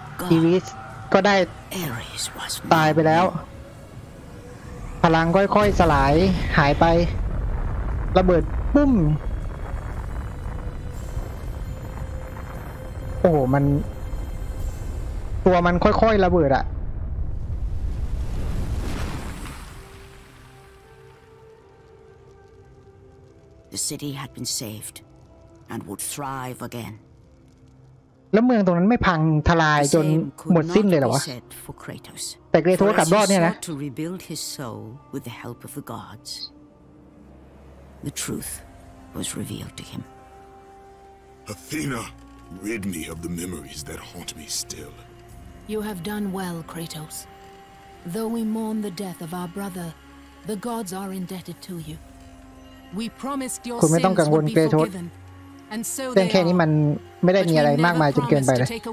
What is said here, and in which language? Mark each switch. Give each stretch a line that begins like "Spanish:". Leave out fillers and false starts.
Thai: อีวิสก็ได้ตายไปแล้วพลังค่อยๆสลายหายไประเบิดปุ้มโอ้โหมันตัวมันค่อยๆระเบิดอะ
English: The city had been saved and would thrive again.
Thai: แล้วเมืองตรงนั้นไม่พังทลายจนหมดสิ้นเลยเหรอวะแต่เกรโธสกลับรอดเนี่ยนะ
English: to rebuild his soul with the help of the gods the truth was revealed to him Athena rid me of the memories that haunt me still you have done well Kratos though we mourn the death of our brother the gods are indebted to you we promised your sins would be forgiven and so they
Thai: แค่นี้มันไม่ได้มีอะไรมากมายจนเกินไปเลย